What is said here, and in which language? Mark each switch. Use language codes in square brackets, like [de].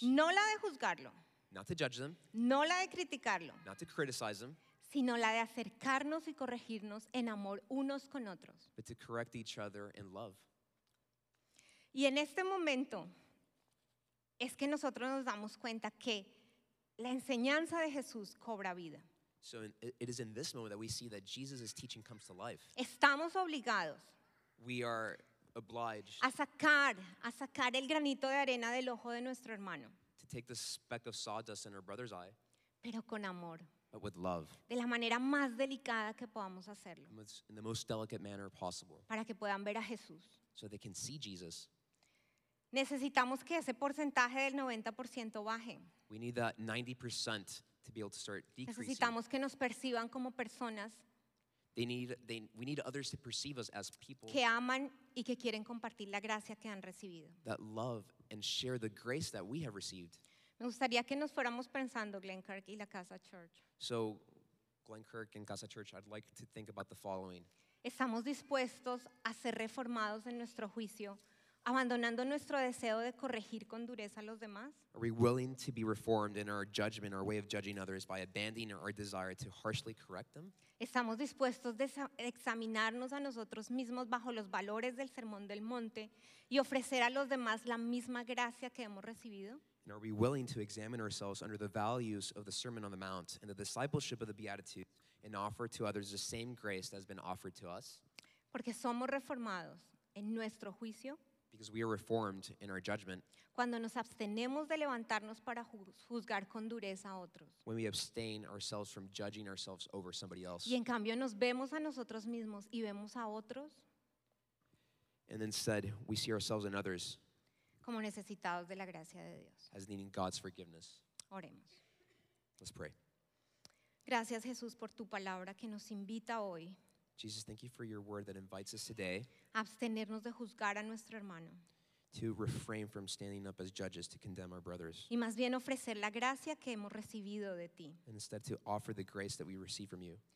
[es] No la de juzgarlo. [en] Not to judge them. [es] No la de criticarlo. [en] Not to criticize them. [es] Sino la de acercarnos y corregirnos en amor unos con otros. [en] But to correct each other in love. [es] Y en este momento es que nosotros nos damos cuenta que la enseñanza de Jesús cobra vida. [en] So it is in this moment that we see that Jesus' teaching comes to life. [es] Estamos obligados. [en] We are obliged. [es] A sacar el granito de arena del ojo de nuestro hermano. [en] To take the speck of sawdust in our brother's eye. [es] Pero con amor. [en] but with love. [es] De la manera más delicada que podamos hacerlo. [en] In the most delicate manner possible. [es] Para que puedan ver a Jesús. [en] So they can see Jesus. [es] Necesitamos que ese porcentaje del 90% baje. [en] We need that 90% to be able to start decreasing. [es] Necesitamos que nos perciban como personas. [en] We need others to perceive us as people [es] que aman y que quieren compartir la gracia que han recibido. [en] That love and share the grace that we have received. [es] Me gustaría que nos fuéramos pensando, Glen Kirk y la Casa Church. [en] So, Glen Kirk and Casa Church, I'd like to think about the following. [es] Estamos dispuestos a ser reformados en nuestro juicio, abandonando nuestro deseo de corregir con dureza a los demás. [en] Are we willing to be reformed in our judgment, our way of judging others, by abandoning our desire to harshly correct them? [es] Estamos dispuestos a examinarnos a nosotros mismos bajo los valores del Sermón del Monte y ofrecer a los demás la misma gracia que hemos recibido? [en] And are we willing to examine ourselves under the values of the Sermon on the Mount and the discipleship of the Beatitudes and offer to others the same grace that has been offered to us? [es] Porque somos reformados en nuestro juicio. [en] Because we are reformed in our judgment. [es] Cuando nos abstenemos de levantarnos para juzgar con dureza a otros. [en] When we abstain ourselves from judging ourselves over somebody else. [es] Y en cambio nos vemos a nosotros mismos y vemos a otros. [en] And instead, we see ourselves and others. [es] Como necesitados de la gracia de Dios. [en] As needing God's forgiveness. [es] Oremos. [en] Let's pray. [es] Gracias, Jesús, por tu palabra que nos invita hoy. [en] Jesus, thank you for your word that invites us today. [es] Abstenernos de juzgar a nuestro hermano. [en] To refrain from standing up as judges to condemn our brothers. [es] Y más bien ofrecer la gracia que hemos recibido de ti. [en] And instead to offer the grace that we receive from you.